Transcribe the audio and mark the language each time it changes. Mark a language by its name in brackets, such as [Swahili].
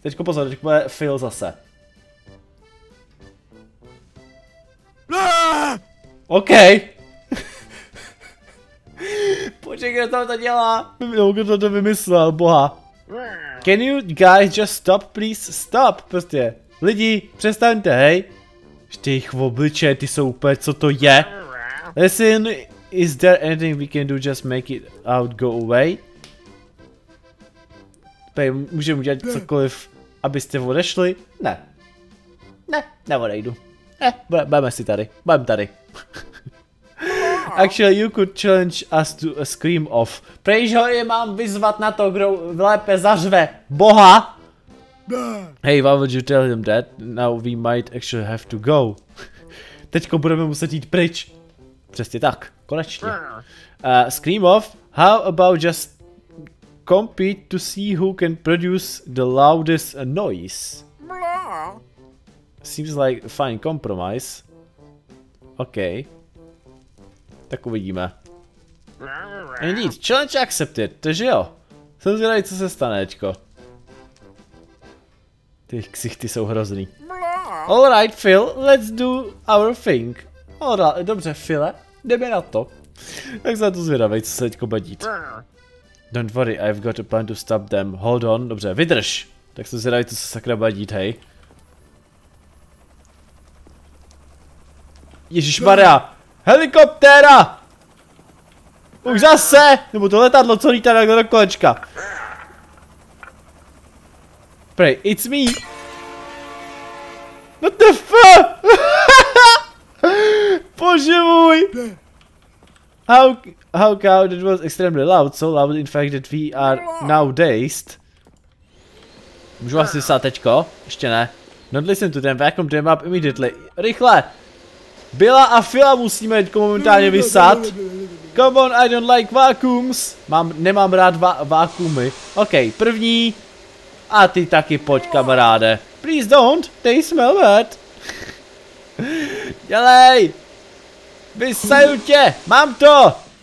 [Czech] Teďko pozor, teď bude Phil zase. [English] OK. [Czech] Počkej, kdo tam to dělá? No, kdo to vymyslel, boha. [English] Can you guys just stop, please stop? [Czech] Prostě, lidi, přestaňte, hej. Ještě jich v obliče, ty jsou úplně, co to je? [English] Listen. Is there anything we can do? Just make it out, go away. [Czech] Pej, můžeme udělat cokoliv, abyste odešli? Ne. Ne, neodejdu. Budeme si tady. Budeme tady. [English] Actually, you could challenge us to a scream off. [Czech] Pej, že ho je mám vyzvat na to, kdo lépe zařve boha. [English] Hey, why would you tell him that? Now we might actually have to go. [Czech] Teďko budeme muset jít pryč. Přesně tak. Konečně. [English] Scream off, how about just compete to see who can produce the loudest noise? Seems like a fine compromise. [Czech] OK. Tak uvidíme. [English] Indeed, challenge accepted, [Czech] takže jo. Jsem zvědavý, co se stane teďko. Ty ksichty jsou hrozný. [English] Alright, Phil, let's do our thing. [Czech] Alright, dobře, File. Jdeme na to. Tak se na to zvědavej, co se teďko bude dít. [English] Don't worry, I've got a plan to stop them. Hold on, [Czech] dobře, vydrž. Tak se zvědavej, co se sakra bude dít, hej. Ježišmarja. Helikoptéra! Už zase! Nebo to letadlo, co lítá takhle do kolečka. [English] Prej, it's me. What the f***? [Czech] Bože můj! [English] How cow, that was extremely loud, so loud in fact that we are now dazed. [Czech] Můžu vás vysát teďko? Ještě ne. [English] Not listen to them, vacuum them up immediately. [Czech] Rychle! Billa a Phila musíme teďko momentálně vysát. [English] Come on, I don't like vacuums. [Czech] Nemám rád vacuumy. [English] OK, první. [Czech] A ty taky pojď, kamaráde. [English] Please don't, they smell bad. [Czech] Dělej! Vysaju tě! Mám to!